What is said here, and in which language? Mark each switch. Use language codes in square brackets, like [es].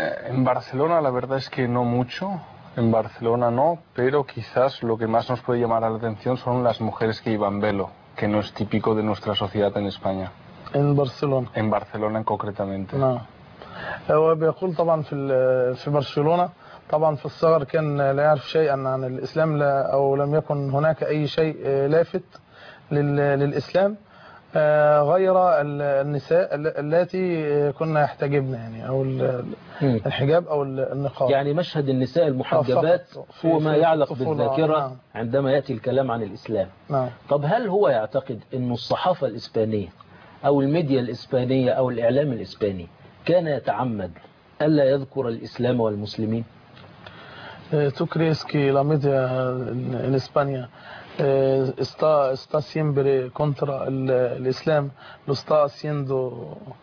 [es] En Barcelona la verdad es que no mucho, en Barcelona no, pero quizás lo que más nos puede llamar la atención son las mujeres que iban velo, que no es típico de nuestra sociedad en España. En Barcelona. En Barcelona concretamente. No. [ar] بيقول طبعا في برشلونة طبعا في الصغر كان لا يعرف شيئا عن الإسلام لا أو لم يكن هناك أي شيء لافت للإسلام غير النساء التي كنا يحتجبن يعني أو الحجاب أو النقاب يعني مشهد النساء المحجبات هو ما يعلق بالذاكرة عندما يأتي الكلام عن الإسلام. طب هل هو يعتقد أن الصحافة الإسبانية أو الميديا الإسبانية أو الإعلام الإسباني كان يتعمد ألا يذكر الإسلام والمسلمين؟ [es] تكريس كي لا ميديا الإسبانية está siempre contra el Islam, lo está haciendo.